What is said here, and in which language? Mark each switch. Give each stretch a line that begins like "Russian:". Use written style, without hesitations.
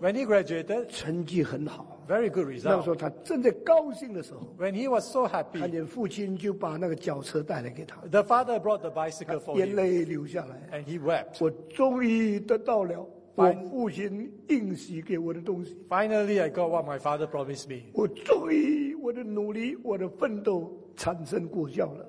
English: When he graduated.
Chinese: 成绩很好。
English: Very good result.
Chinese: 那时候他正在高兴的时候。
English: When he was so happy.
Chinese: 看见父亲就把那个脚车带来给他。
English: The father brought the bicycle for him.
Chinese: 眼泪流下来。
English: And he wept.
Chinese: 我终于得到了。我父亲应许给我的东西。
English: Finally, I got what my father promised me.
Chinese: 我终于我的努力，我的奋斗产生果效了。